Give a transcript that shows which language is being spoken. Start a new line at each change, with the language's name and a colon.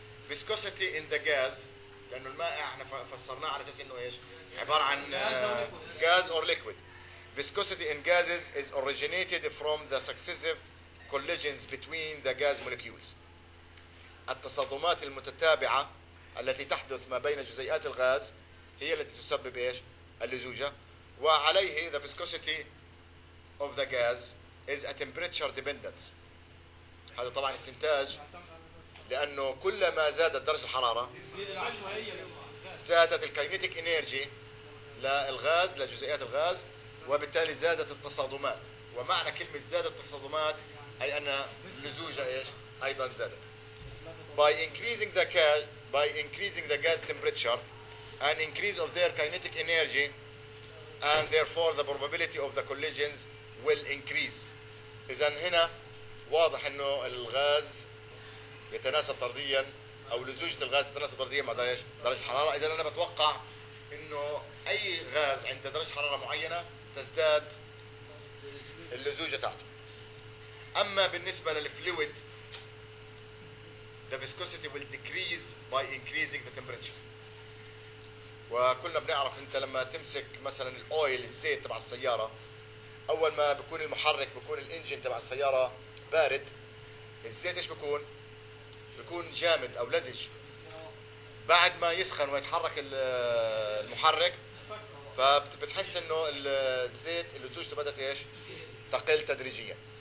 English: Viscosity in the gas،
Arabic: لانه المائع احنا فسرناه على اساس انه ايش؟ عبارة عن
English: gas or liquid. Viscosity in gases is originated from the successive collisions between the gas molecules،
Arabic: التصادمات المتتابعة التي تحدث ما بين جزيئات الغاز هي التي تسبب ايش؟ اللزوجة. وعليه
English: the viscosity of the gas is a temperature dependence.
Arabic: هذا طبعا استنتاج لانه كلما زادت درجة الحرارة زادت الكينيتيك انرجي للغاز لجزيئات الغاز، وبالتالي زادت التصادمات. ومعنى كلمة زادت التصادمات اي ان اللزوجة ايش؟ ايضا زادت.
English: By increasing the gas temperature and increase of their kinetic energy and therefore the probability of the collisions will increase.
Arabic: إذن هنا واضح إنه الغاز يتناسب طرديا أو لزوجة الغاز تتناسب طرديا مع درجة حرارة. إذن أنا بتوقع إنه أي غاز عند درجة حرارة معينة تزداد اللزوجة تاعته. أما بالنسبة للفلويد
English: the viscosity will decrease by increasing the temperature.
Arabic: وكلنا بنعرف انت لما تمسك مثلا الاويل الزيت تبع السياره، اول ما بكون المحرك بكون الانجن تبع السياره بارد، الزيت ايش بكون؟ بكون جامد او لزج. بعد ما يسخن ويتحرك المحرك فبتحس انه الزيت اللزوجة بدات ايش؟ تقل تدريجيا.